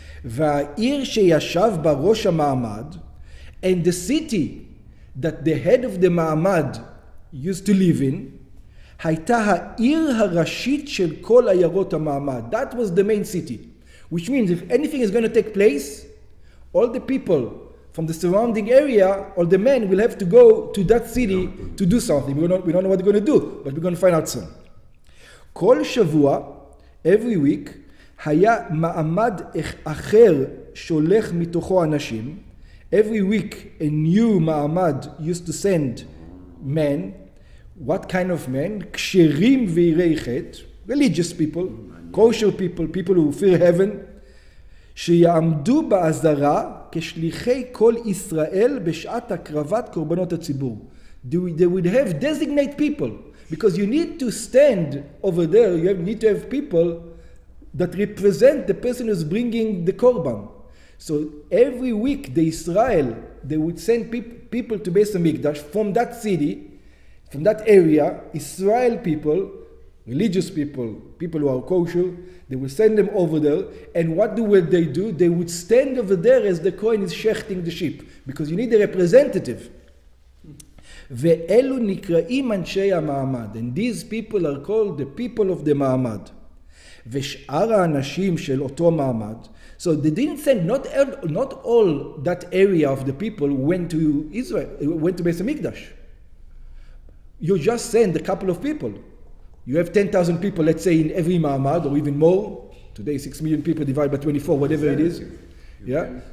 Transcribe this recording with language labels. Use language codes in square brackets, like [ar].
[he] והעיר שישב בראש המעמד, [en] and the city that the head of the מעמד used to live in, [he] הייתה העיר הראשית של כל עיירות המעמד. [en] That was the main city. Which means if anything is going to take place, all the people from the surrounding area, all the men will have to go to that city to do something. We don't know what they're going to do, but we're going to find out soon. [he] כל שבוע, [en] every week, [he] היה מעמד אחר שולח מתוכו אנשים. [en] Every week a new מעמד used to send men. What kind of men? [he] כשרים ויראי חטא, [en] religious people, kosher people, people who fear heaven, [he] שיעמדו בעזרה כשליחי כל ישראל בשעת הקרבת קורבנות הציבור. [en] They would have designate people, because you need to stand over there, you need to have people that represent the person who's bringing the korban. So every week, the Israel, they would send people to Beis HaMikdash from that city, from that area, Israel people, religious people, people who are kosher, they would send them over there. And what would they do? They would stand over there as the Kohen is shechting the sheep, because you need a representative. [he] Ve'elu nikra'im anshei ha-ma'amad. [en] And these people are called the people of the ma'amad. [he] ושאר האנשים של אותו מעמד. [en] So they didn't send, not all that area of the people went to Israel, went to Beis HaMikdash. You just send a couple of people. You have 10,000 people, let's say, in every מעמד, or even more. Today, 6 million people divided by 24, whatever it is. Yeah?